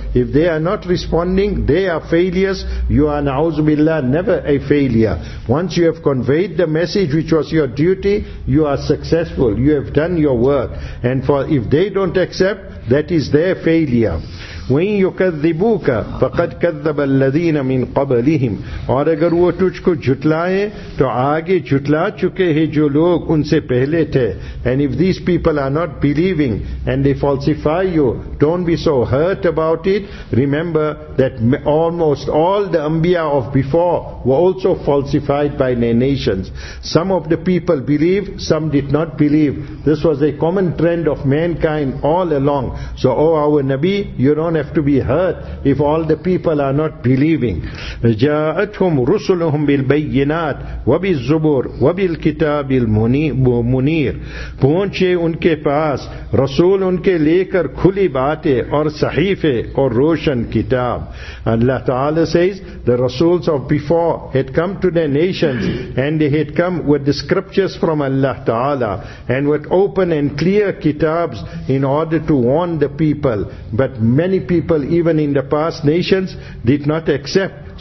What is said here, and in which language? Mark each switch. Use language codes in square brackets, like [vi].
[en] If they are not responding, they are failures. You are, na'uzu billah, never a failure. Once you have conveyed the message, which was your duty, you are successful. You have done your work. And for if they don't accept, that is their failure. [ar] وَإِن يُكَذِّبُوكَ فَقَدْ كَذَّبَ الَّذِينَ مِنْ قَبَلِهِمْ. [ur] اور اگر وہ تجھ کو جھٹلائیں تو آگے جھٹلا چکے ہیں جو لوگ ان سے پہلے تھے. [en] And if these people are not believing and they falsify you, don't be so hurt about it. Remember that almost all the Anbiya of before were also falsified by their nations. Some of the people believe, some did not believe. This was a common trend of mankind all along. So, O our Nabi, you don't have to be hurt if all the people are not believing. [ar] جاءتهم رسلهم بالبينات وبالزبور وبالكتاب المنير. [ur] پہنچے ان کے پاس رسول ان کے لے کر کھلی باتیں اور صحیفے اور روشن کتاب. [en] Allah Ta'ala says the rasuls of before had come to their nations and they had come with the scriptures from Allah Ta'ala and with open and clear kitabs in order to warn the people. But many people, even in the past nations, did not accept.